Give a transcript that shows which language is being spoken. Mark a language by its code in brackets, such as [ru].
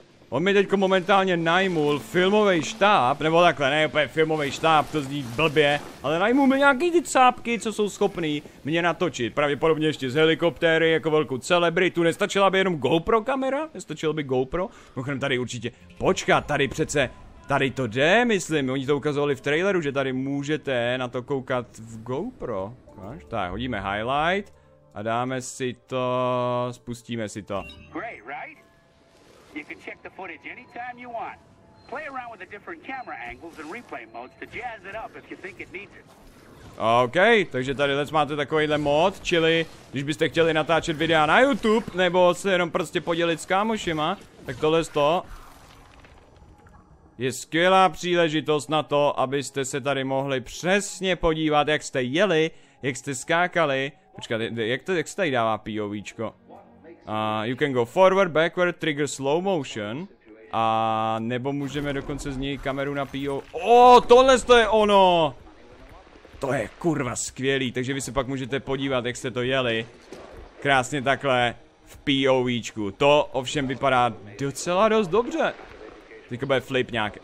[cs] On mi teďko momentálně najmul filmový štáb, nebo takhle, ne úplně filmový štáb, to zní blbě, ale najmul mi nějaký ty cápky, co jsou schopný mě natočit, pravděpodobně ještě z helikoptéry, jako velkou celebritu, nestačila by jenom GoPro kamera, nestačilo by GoPro, můžeme tady určitě, počkat, tady přece, tady to jde, myslím, oni to ukazovali v traileru, že tady můžete na to koukat v GoPro, až tak, hodíme highlight a dáme si to, spustíme si to. [en] Great, right? You can check the footage anytime you want. Play around with the different camera angles and replay modes to jazz it up if you think it needs it. [cs] OK, takže tady dnes máte takovýhle mod, čili když byste chtěli natáčet videa na YouTube, nebo se jenom prostě podělit s kámošima, tak tohle to je skvělá příležitost na to, abyste se tady mohli přesně podívat, jak jste jeli, jak jste skákali. Počkat, jak se tady dává POVčko? [en] You can go forward, backward, trigger slow motion. [cs] A nebo můžeme dokonce z něj kameru na PO. Tohle to je ono! To je kurva skvělý, takže vy se pak můžete podívat, jak jste to jeli. Krásně takhle POVčku. To ovšem vypadá docela dost dobře. Teďko bude flip nějak.